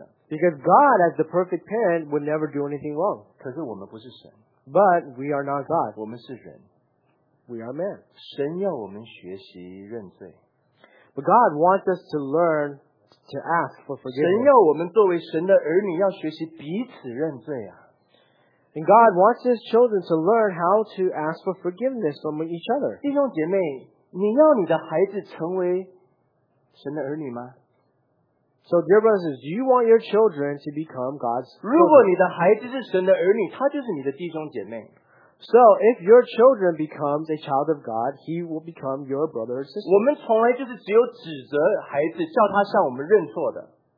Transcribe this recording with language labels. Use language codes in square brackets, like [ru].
[en] because God, as the perfect parent, would never do anything wrong. [zh] 可是我们不是神。 [en] But we are not God. [zh] 我们是人。 [en] We are men. [zh] 神要我们学习认罪。 [en] But God wants us to learn to ask for forgiveness. [zh] 神要我们作为神的儿女要学习彼此认罪啊。 [en] And God wants His children to learn how to ask for forgiveness from each other. [zh] 弟兄姐妹, 你要你的孩子成为神的儿女吗? [en] So dear brothers, do you want your children to become God's children? [zh] 如果你的孩子是神的儿女, 他就是你的弟兄姐妹。 [en] So if your children becomes a child of God, he will become your brother or sister. [zh] 我们从来就是只有指责孩子, 叫他向我们认错的。